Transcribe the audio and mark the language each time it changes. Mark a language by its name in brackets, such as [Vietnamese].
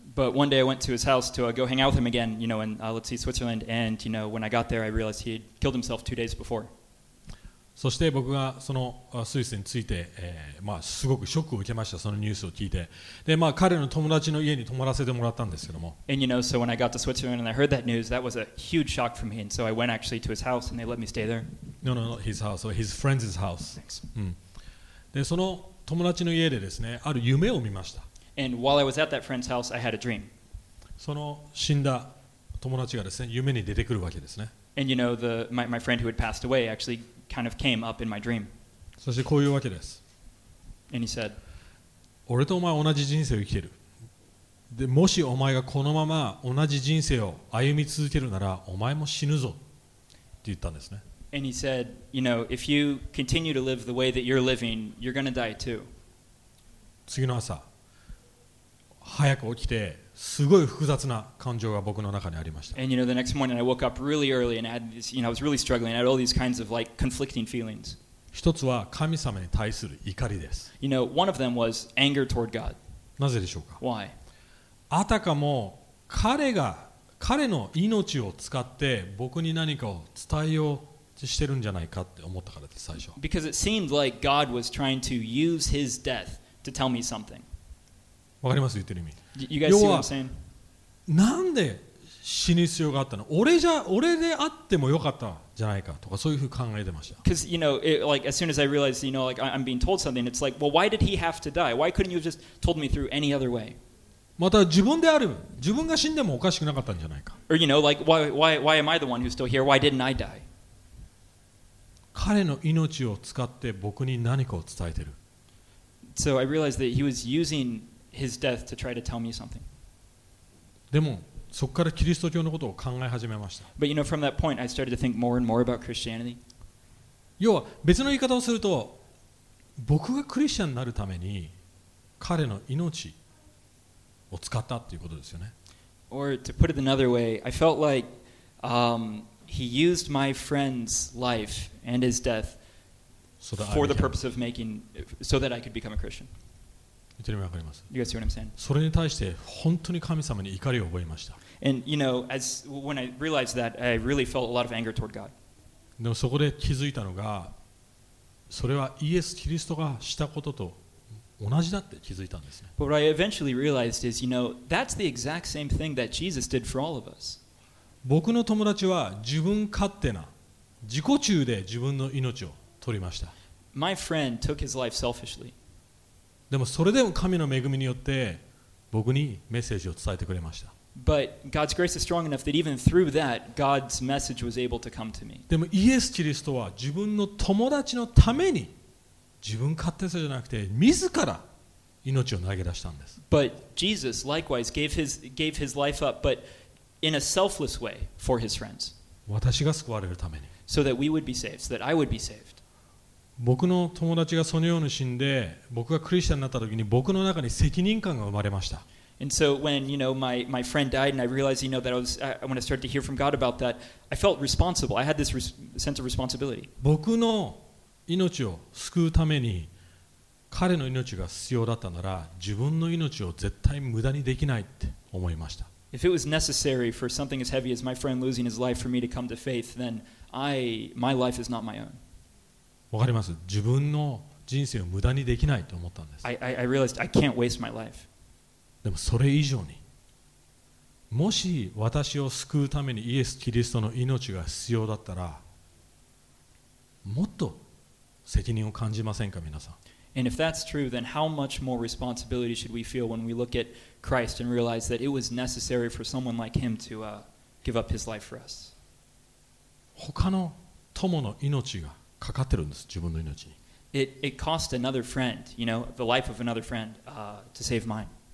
[English] But one day I went to his house to go hang out with him again, you know, in, let's see, Switzerland. And, you know, when I got there, I realized he had killed himself 2 days before. [Japanese] そして僕がそのスイスについて、まあ、すごくショックを受けました、そのニュースを聞いて。で、まあ、彼の友達の家に泊まらせてもらったんですけども。 [English] And, you know, so when I got to Switzerland and I heard that news, that was a huge shock for me. And so I went actually to his house and they let me stay there. No, not his house, or his friend's house. Thanks. [Japanese] で、その友達の家でですね、ある夢を見ました。 [English] And while I was at that friend's house, I had a dream. [Japanese] その死んだ友達がですね、夢に出てくるわけですね。 [English] And you know, my friend who had passed away actually kind of came up in my dream. [Japanese] そしてこういうわけです。 [English] And he said, [Japanese] 俺とお前同じ人生を生きてる。で、もしお前がこのまま同じ人生を歩み続けるなら、お前も死ぬぞ。って言ったんですね。 [English] And he said, you know, if you continue to live the way that you're living, you're going to die too. [Japanese] 次の朝、早く起きて、すごい複雑な感情が僕の中にありました。 [English] And you know, the next morning I woke up really early and I had this, you know, I was really struggling. I had all these kinds of like conflicting feelings. [Japanese] 一つは神様に対する怒りです。 [English] You know, one of them was anger toward God. [Japanese] なぜでしょうか? [English] Why? [Japanese] あたかも彼の命を使って僕に何かを伝えようとしてるんじゃないかって思ったからです、最初。 [English] Because it seemed like God was trying to use his death to tell me something. [Japanese] わかります?言ってる意味。 [English] You guys see what I'm saying? [Japanese] 要は、なんで死に必要があったの?俺であってもよかったじゃないかとか、そういうふうに考えてました。 [English] Because, you know, it, like, as soon as I realized, you know, like, I'm being told something, it's like, well, why did he have to die? Why couldn't you have just told me through any other way? [Japanese] また自分である。自分が死んでもおかしくなかったんじゃないか。 [English] Or, you know, like, why am I the one who's still here? Why didn't I die? [Japanese] 彼の命を使って僕に何かを伝えてる。 [English] So I realized that he was using... His death to try to tell me something. [Japanese] でもそこからキリスト教のことを考え始めました。 [English] But you know, from that point, I started to think more and more about Christianity. [Japanese] 要は別の言い方をすると、僕がクリスチャンになるために彼の命を使ったっていうことですよね。 [English] Or to put it another way, I felt like he used my friend's life and his death for the purpose of making so that I could become a Christian. [Japanese] 言ってる意味わかります。 [English] You guys see what I'm saying? [Japanese] それに対して本当に神様に怒りを覚えました。 [English] And you know, as when I realized that, I really felt a lot of anger toward God. [Japanese] でもそこで気づいたのが、それはイエス・キリストがしたことと同じだって気づいたんですね。 [English] But what I eventually realized is, you know, that's the exact same thing that Jesus did for all of us. [Japanese] 僕の友達は自分勝手な自己中で自分の命を取りました。 [English] My friend took his life selfishly. [Japanese] でもそれでも神の恵みによって僕にメッセージを伝えてくれました。 [English] But God's grace is strong enough that even through that, God's message was able to come to me. [Japanese] でもイエス・キリストは自分の友達のために自分勝手さじゃなくて自ら命を投げ出したんです。 [English] But Jesus likewise gave his life up, but in a selfless way for his friends. [Japanese] 私が救われるために。 [English] So that we would be saved, so that I would be saved. [Japanese] 僕の友達がそのように死んで、僕がクリスチャンになった時に僕の中に責任感が生まれました。 [English] And so when, you know, my friend died and I realized, you know, that I was, when I started to hear from God about that, I felt responsible. I had this sense of responsibility. [Japanese] 僕の命を救うために彼の命が必要だったなら、自分の命を絶対無駄にできないって思いました。 [English] If it was necessary for something as heavy as my friend losing his life for me to come to faith, then my life is not my own. [Japanese] わかります。自分の人生を無駄にできないと思ったんです。 [English] I realized I can't waste my life. [Japanese] でもそれ以上に、もし私を救うためにイエス・キリストの命が必要だったら、もっと責任を感じませんか、皆さん。 [English] And if that's true, then how much more responsibility should we feel when we look at Christ and realize that it was necessary for someone like him to give up his life for us? [Japanese] 他の友の命がかかってるんです、自分の命に。 [English] It cost another friend, you know, the life of another friend, to save mine.